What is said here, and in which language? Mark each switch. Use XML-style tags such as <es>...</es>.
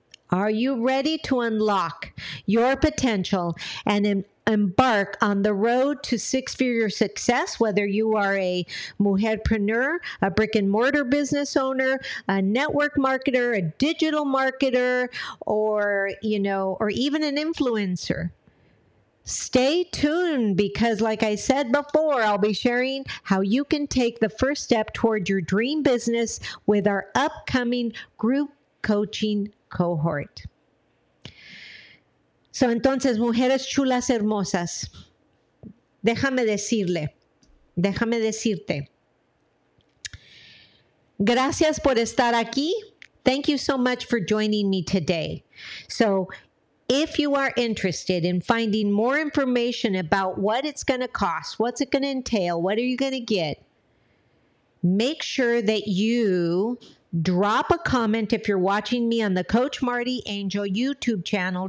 <en>Are you ready to unlock your potential and embark on the road to six-figure success, whether you are a mujerpreneur, a brick-and-mortar business owner, a network marketer, a digital marketer, or even an influencer? Stay tuned, because like I said before, I'll be sharing how you can take the first step toward your dream business with our upcoming group coaching cohort.</en> <es>So, entonces, mujeres chulas hermosas, déjame decirte, gracias por estar aquí.</es> <en>Thank you so much for joining me today. So, if you are interested in finding more information about what it's going to cost, what's it going to entail, what are you going to get, make sure that you drop a comment if you're watching me on the Coach Marty Angel YouTube channel.</en>